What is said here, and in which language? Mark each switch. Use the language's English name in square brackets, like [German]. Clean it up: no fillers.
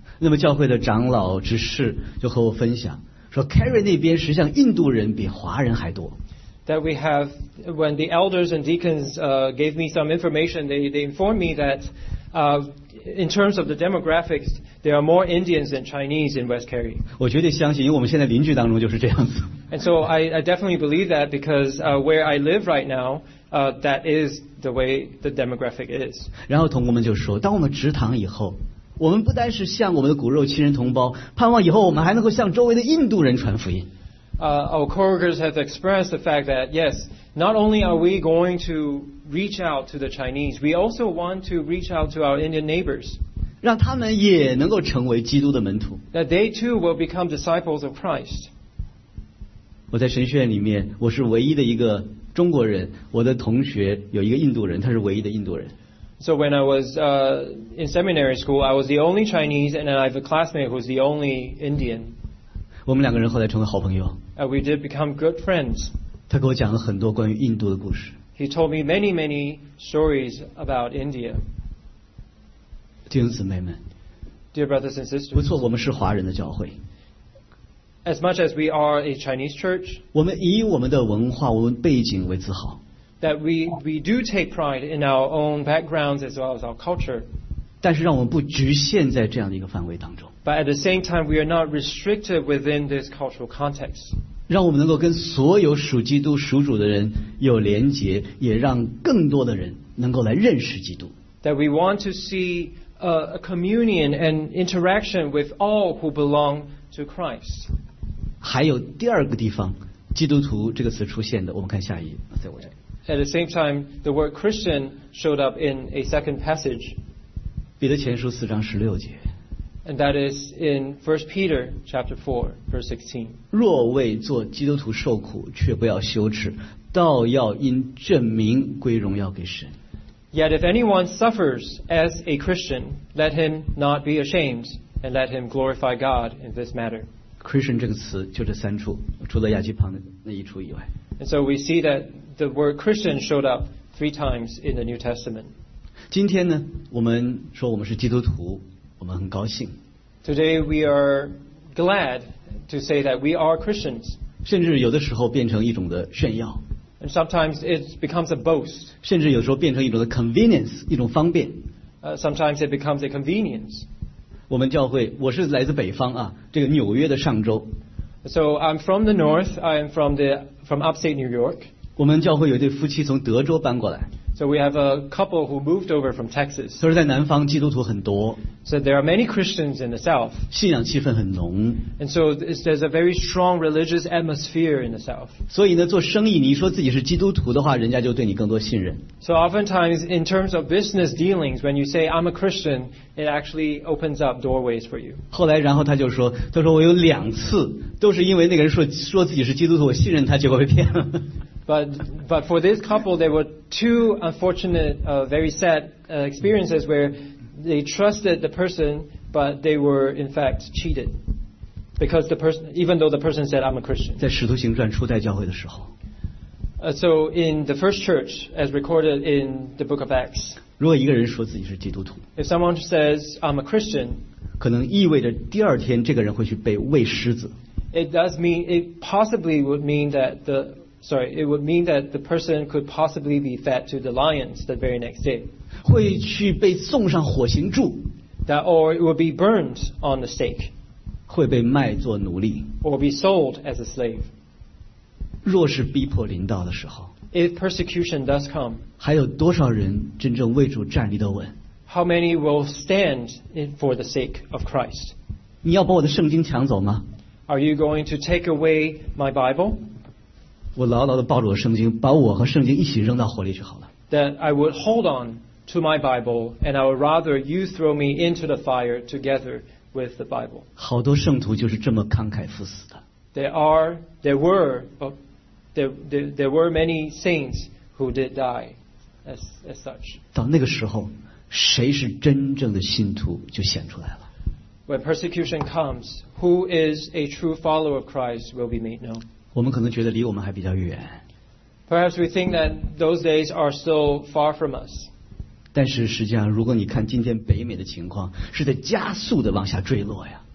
[Chinese] 那么教会的长老执事就和我分享说 ，Kerry 那边实际上印度人比华人还多。 [English] That we have when the elders and deacons gave me some information, they informed me that in terms of the demographics, there are more Indians than Chinese in West Kerry. [Chinese] 我绝对相信，因为我们现在邻居当中就是这样子。 [English] And so I definitely believe that because where I live right now. That is the way the demographic is. [Chinese] 然后同工们就说，当我们职堂以后，我们不单是向我们的骨肉亲人同胞，盼望以后我们还能够向周围的印度人传福音。 [English] Our coworkers have expressed the fact that yes, not only are we going to reach out to the Chinese, we also want to reach out to our Indian neighbors. [Chinese] 让他们也能够成为基督的门徒。 [English] That they too will become disciples of Christ. [Chinese] 我在神学院里面，我是唯一的一个。中国人，我的同学有一个印度人，他是唯一的印度人。 [English] So when I was in seminary school, I was the only Chinese, and then I have a classmate who's the only Indian. [Chinese] 我们两个人后来成为好朋友。 [English] We did become good friends. [Chinese] 他给我讲了很多关于印度的故事。 [English] He told me many, many stories about India. [Chinese] 弟兄姊妹们 [English] ，Dear brothers and sisters， [Chinese] 不错，我们是华人的教会。 [English] As much as we are a Chinese church, [Chinese] 我们以我们的文化、我们背景为自豪。 [English] That we do take pride in our own backgrounds as well as our culture. [Chinese] 但是让我们不局限在这样的一个范围当中。 [English] But at the same time, we are not restricted within this cultural context. [Chinese] 让我们能够跟所有属基督、属主的人有连结，也让更多的人能够来认识基督。 [English] That we want to see a communion and interaction with all who belong to Christ. [Chinese] 还有第二个地方，基督徒这个词出现的，我们看下一页，在我这。 [English] At the same time, the word Christian showed up in a second passage. [Chinese] 彼得前书四章十六节。 [English] And that is in 1 Peter chapter 4, verse 16. [Chinese] 若为做基督徒受苦，却不要羞耻，倒要因证明归荣耀给神。 [English] Yet if anyone suffers as a Christian, let him not be ashamed, and let him glorify God in this matter. [Chinese] Christian 这个词就这三处，除了亚基旁的那一处以外。 [English] And so we see that the word Christian showed up three times in the New Testament. [Chinese] 今天呢，我们说我们是基督徒。我们很高兴。 [English] Today we are glad to say that we are Christians. [Chinese] 甚至有的时候变成一种的炫耀。 [English] And sometimes it becomes a boast. [Chinese] 甚至有时候变成一种的 convenience， 一种方便。 [English] Sometimes it becomes a convenience. [Chinese] 我们教会，我是来自北方啊，这个纽约的上州。 [English] So I'm from the north. I'm from upstate New York. [Chinese] 我们教会有一对夫妻从德州搬过来。 [English] So we have a couple who moved over from Texas. [Chinese] 都是在南方，基督徒很多。 [English] So there are many Christians in the South. [Chinese] 信仰气氛很浓。 [English] And so there's a very strong religious atmosphere in the South. [Chinese] 所以呢，做生意，你说自己是基督徒的话，人家就对你更多信任。 [English] So oftentimes, in terms of business dealings, when you say I'm a Christian, it actually opens up doorways for you. [Chinese] 后来，然后他就说，他说我有两次都是因为那个人说自己是基督徒，我信任他，结果被骗了。 [English] But for this couple, there were two unfortunate, very sad experiences where they trusted the person, but they were in fact cheated. Because the person, even though the person said, I'm a Christian. [Chinese] 在《使徒行传》初代教会的时候。 [English] So in the first church, as recorded in the book of Acts. [Chinese] 如果一个人说自己是基督徒。 [English] If someone says, I'm a Christian. [Chinese] 可能意味着第二天这个人会去被喂狮子。 [English] It would mean that the person could possibly be fed to the lions the very next day. [Chinese] 会去被送上火刑柱。 [English] That or it would be burned on the stake. [Chinese] 会被卖作奴隶。 [English] Or be sold as a slave. [Chinese] 若是逼迫临到的时候。 [English] If persecution does come. [Chinese] 还有多少人真正为主站立得稳。 [English] How many will stand for the sake of Christ? [Chinese] 你要把我的圣经抢走吗？ [English] Are you going to take away my Bible? [Chinese] 我牢牢地抱住我圣经，把我和圣经一起扔到火里去好了。 [English] That I would hold on to my Bible, and I would rather you throw me into the fire together with the Bible. [Chinese] 好多圣徒就是这么慷慨赴死的。 [English] There were many saints who did die as such. [Chinese] 到那个时候，谁是真正的信徒就显出来了。 [English] When persecution comes, who is a true follower of Christ will be made known. [Chinese] 我们可能觉得离我们还比较远。 [English] Perhaps we think that those days are still far from us. [Chinese] 但是实际上，如果你看今天北美的情况，是在加速的往下坠落呀。